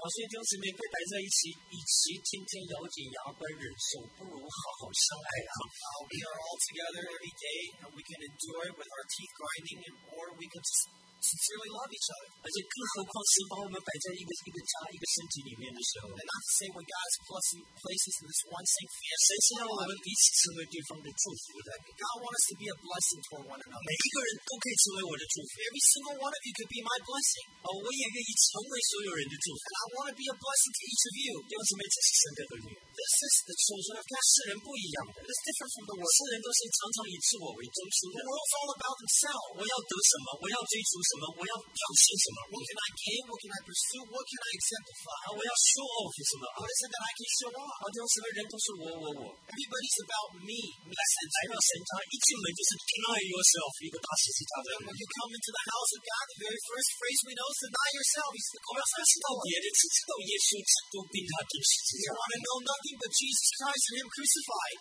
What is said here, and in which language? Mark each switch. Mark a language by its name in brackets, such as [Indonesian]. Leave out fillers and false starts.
[Chinese] 所以弟兄姊妹，被摆在一起，与其天天咬紧牙关忍受，不如好好相爱啊。 [English] We are all together every day, and we can endure it with our teeth grinding, or we can just sincerely love each other. [Chinese] 而且更何况是把我们摆在一个家、一个身体里面的时候。 [English] And not to say when God's places in this one same family. [Chinese] 谁是让我们彼此成为对方的祝福的？ [English] God wants us to be a blessing toward one another. [Chinese] 每一个人都可以成为我的祝福。 [English] Every single one of you could be my blessing. [Chinese] 我也愿意成为所有人的祝福。 [English] And I want to be a blessing to each of you. [Chinese] 弟兄姊妹，这是神的儿女。 [English] This is the children of God. [Chinese] 世人不一样的。 [English] It's different from the world. [Chinese] 世人都是常常以自我为中心的。 [English] The world's all about themselves. [Chinese] 我要得什么？我要追求。什么？我要表现什么？ [English] What can I gain? What can I pursue? What can I exemplify? [Chinese] 我要 [English] show off [Chinese] 什么？ [English] What is it that I can show off? [Chinese] 啊，弟兄姊妹，人都是我。 [English] Everybody's about me. [Chinese] 来到神家，一进门就是 [English] deny yourself， [Chinese] 一个大写字大的。 [English] When you come into the house of God, the very first phrase we know is deny yourself. [Chinese] 我们要知道别人，只知道耶稣基督，并他的十字架。 [English] You want to know nothing but Jesus Christ and Him crucified.